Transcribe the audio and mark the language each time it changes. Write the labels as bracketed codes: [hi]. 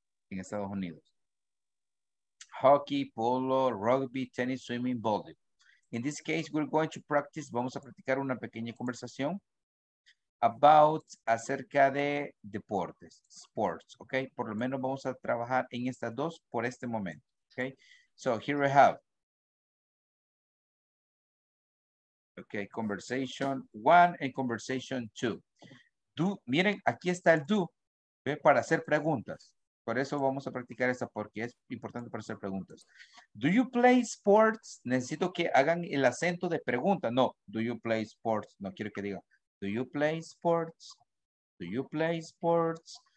[en] En Estados Unidos. Hockey, polo, rugby, tennis, swimming, volleyball. In this case, we're going to practice, [es] vamos a practicar una pequeña conversación [en] about, acerca de deportes, sports, okay? [es] Por lo menos vamos a trabajar en estas dos por este momento, okay? [en] So here we have, okay, conversation one and conversation two. [es] Do, miren, aquí está el do, ¿ve? Para hacer preguntas. Por eso vamos a practicar esta porque es importante para hacer preguntas. [en] Do you play sports? [es] Necesito que hagan el acento de pregunta. No, [en] do you play sports? [es] No quiero que digan, do you play sports? [en] Do you play sports?